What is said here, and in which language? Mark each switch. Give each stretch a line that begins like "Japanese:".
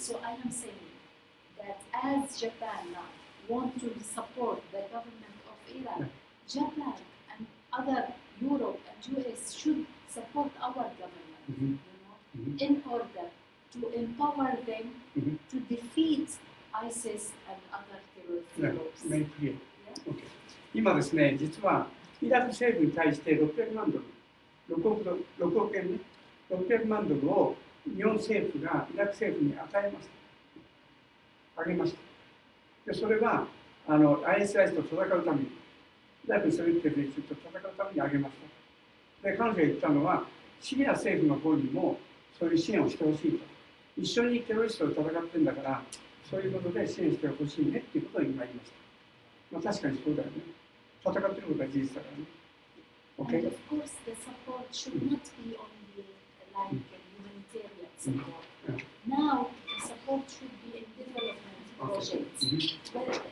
English: So I am saying that as Japan wants to support the government of Iraq, Japan and other Europe and US should support our government, you know, in order to empower them to defeat ISIS and other terrorist groups. Very clear.
Japanese: ですね、実はイラク政府に対して600万ドルを日本政府がイラク政府に与えました。あげました。でそれはISIS と戦うために、イラクに攻めている人と戦うためにあげました。で彼女が言ったのは、シリア政府の方にもそういう支援をしてほしいと。一緒にテロリストと戦っているんだから、そういうことで支援してほしいねということを今言いました。まあ、確かにそうだよね。戦っていることは事実だからね。
English: Okay? And of course, the support should not be only like humanitarian support. Now, the support should be in development projects.